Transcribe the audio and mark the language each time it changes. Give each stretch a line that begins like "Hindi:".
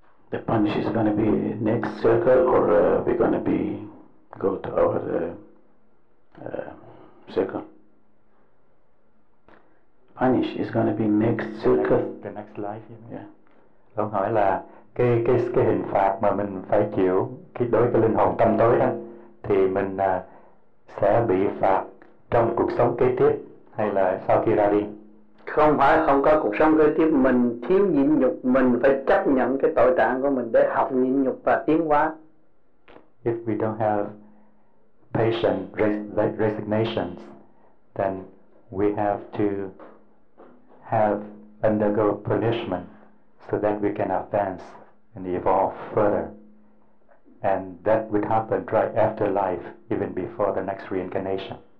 English: The punish is going to be next circle or we're going to be go to our circle. Punish is going to be next circle. The next life, you mean? Yeah.
Vietnamese: Ông hỏi là cái hình phạt mà mình phải chịu khi đối với linh hồn tâm tối đó, thì mình sẽ bị phạt trong cuộc sống kế tiếp hay là sau khi ra đi? không phải không có cuộc sống kế tiếp, mình thiếu nhịn nhục, mình phải chấp nhận cái tội trạng của mình để học nhịn nhục và tiến hóa.
English: If we don't have patient resignation, then we have to have undergo punishment so that we can advance and evolve further. And that would happen right after life, even before the next reincarnation.